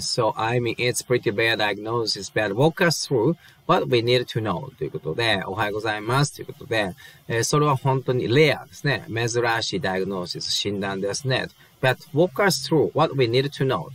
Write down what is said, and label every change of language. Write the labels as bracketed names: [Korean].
[English] So, I mean, it's pretty bad diagnosis, but walk us through what we need to know. [Japanese] ということで、おはようございます。ということで、それは本当にレアですね。珍しいダイグノーシス、診断ですね。 [English] But walk us through what we need to know.